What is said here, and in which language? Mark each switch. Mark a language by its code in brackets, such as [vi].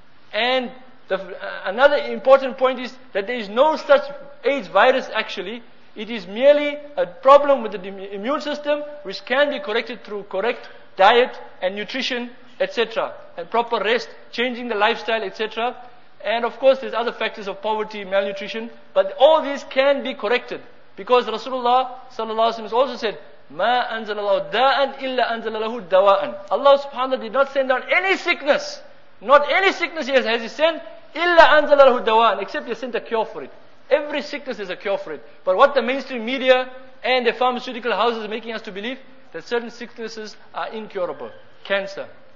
[en] And another important point is that there is no such AIDS virus actually. It is merely a problem with the immune system, which can be corrected through correct diet and nutrition, etc. And proper rest, changing the lifestyle, etc. And of course, there's other factors of poverty, malnutrition. But all these can be corrected. Because Rasulullah sallallahu alaihi wasallam also said, [ar] مَا أَنزَلَ اللَّهُ دَاءً إِلَّا أَنزَلَ لَهُ دَوَاءً. [en] Allah subhanahu wa ta'ala did not send down any sickness. Not any sickness has He sent. [ar] إِلَّا أَنزَلَ لَهُ دَوَاءً. [en] Except He sent a cure for it. Every sickness is a cure for it. But what the mainstream media and the pharmaceutical houses are making us to believe, that certain sicknesses are incurable. Cancer.